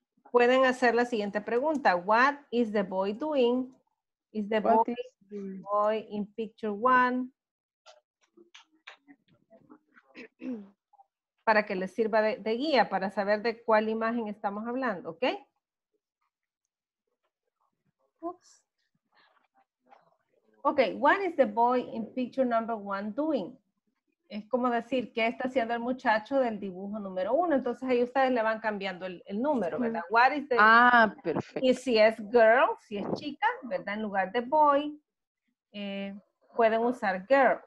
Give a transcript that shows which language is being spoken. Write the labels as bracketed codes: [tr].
[es] Pueden hacer la siguiente pregunta. [en] What is the boy doing? Is the boy, boy in picture one? [es] Para que les sirva de guía, para saber de cuál imagen estamos hablando, ¿ok? Oops. [en] Ok, what is the boy in picture number one doing? [es] Es como decir, ¿qué está haciendo el muchacho del dibujo número uno? Entonces ahí ustedes le van cambiando el número, ¿verdad? [en] What is the... [es] Ah, perfecto. Y si es girl, si es chica, ¿verdad? En lugar de boy, pueden usar girl.